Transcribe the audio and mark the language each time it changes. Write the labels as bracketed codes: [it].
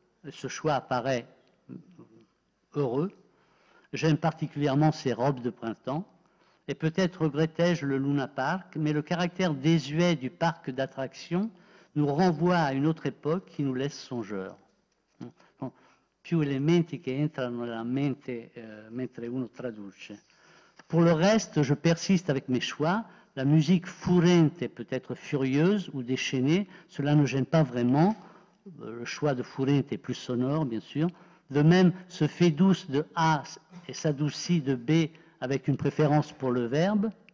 [fr] Ce choix apparaît heureux. J'aime particulièrement ces robes de printemps. Et peut-être regrettais-je le Luna Park, mais le caractère désuet du parc d'attractions nous renvoie à une autre époque qui nous laisse songeurs. [it] Più elementi che entrano nella mente mentre uno traduce. [fr] Pour le reste, je persiste avec mes choix. La musique fourente peut être furieuse ou déchaînée. Cela ne gêne pas vraiment. Le choix de fourente est plus sonore, bien sûr. De même, ce fait douce de A et s'adoucit de B avec une préférence pour le verbe.